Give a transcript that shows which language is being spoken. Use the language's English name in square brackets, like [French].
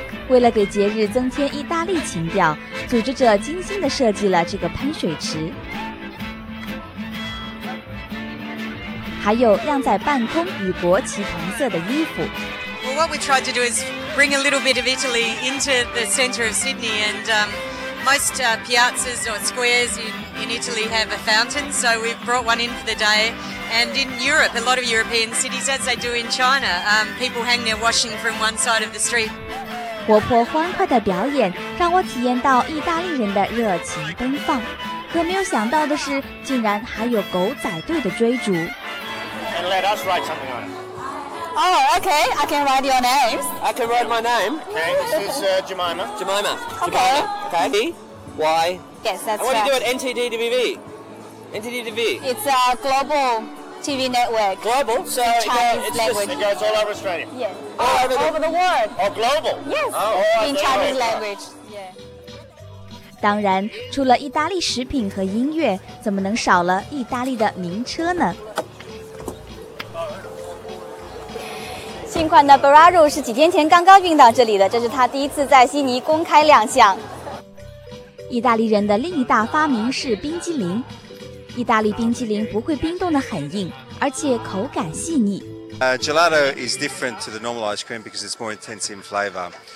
[Chinese] 为了给节日增添意大利情调，组织者精心地设计了这个喷水池。还有晾在半空与国旗同色的衣服。 [English] What we tried to do is bring a little bit of Italy into the centre of Sydney, and most piazzas or squares in Italy have a fountain, so we've brought one in for the day. And in Europe, a lot of European cities, as they do in China, people hang their washing from one side of the street. [Chinese] 活泼欢快的表演让我体验到意大利人的热情奔放，可没有想到的是，竟然还有狗仔队的追逐。 [English] And let us write something on it. Oh, okay. I can write your names. I can write my name. Okay, this is Jemima. Jemima. Okay. Okay. D, Y. Yes, that's right. I want to do it NTDTV. NTDTV. It's a global TV network. Global? So it's Chinese language. It goes all over Australia. Yeah. Oh, over the world. Oh, global. Yes. Oh, in Chinese language. Yeah. [Chinese] 当然，除了意大利食品和音乐，怎么能少了意大利的名车呢？新款的 Berraro 是几天前刚刚运到这里的，这是他第一次在悉尼公开亮相。意大利人的另一大发明是冰激凌。意大利冰激凌不会冰冻得很硬，而且口感细腻。 [English] Gelato is different to the normal ice cream because it's more intense in flavor.